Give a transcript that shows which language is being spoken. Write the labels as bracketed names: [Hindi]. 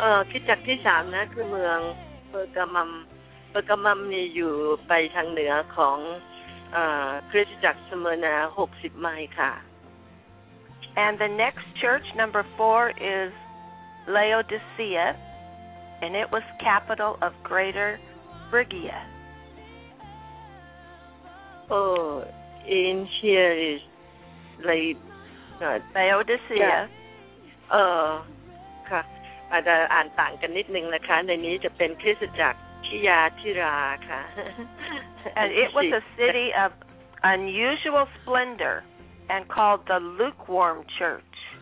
[Thai] คิดจากที่สามนะคือเมืองเพอร์กามัมเพอร์กามัมนี่อยู่ไปทางเหนือของคริสตจักรสเมอร์นา60ไมล์ค่ะ [English] And the next church, number four, is Laodicea, and it was capital of Greater Phrygia. Oh, in here is Laodicea. Yeah. [Thai] ค่ะอาจจะอ่านต่างกันนิดนึงนะคะในนี้จะเป็นคริสตจักรทิยาธิราค่ะ [English] And it was a city of unusual splendor. And called the lukewarm church.